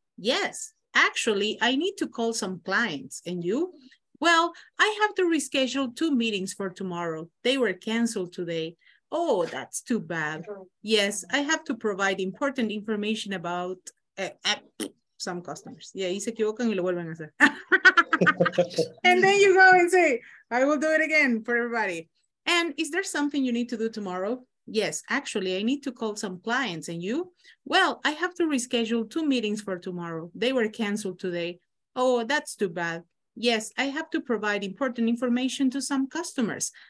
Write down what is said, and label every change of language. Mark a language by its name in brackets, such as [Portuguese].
[English] Yes, actually, I need to call some clients. And you? Well, I have to reschedule 2 meetings for tomorrow. They were canceled today. Oh, that's too bad. Yes, I have to provide important information about some customers. [Spanish] Yeah, y se equivocan y lo vuelven a hacer. [English] And then you go and say, I will do it again for everybody. And is there something you need to do tomorrow? Yes, actually, I need to call some clients. And you? Well, I have to reschedule 2 meetings for tomorrow. They were canceled today. Oh, that's too bad. Yes, I have to provide important information to some customers.